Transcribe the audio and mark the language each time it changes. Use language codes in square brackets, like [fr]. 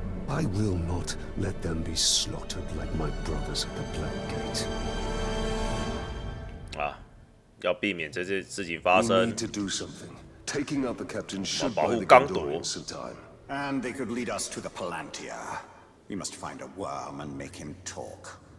[en] I will not let them be slaughtered like my brothers at the Black Gate. [zh] 啊，要避免这些事情发生。 [en] We need to do something. Taking out the captain should buy the Gondorian some time. And they could lead us to the Palantir. We must find a worm and make him talk.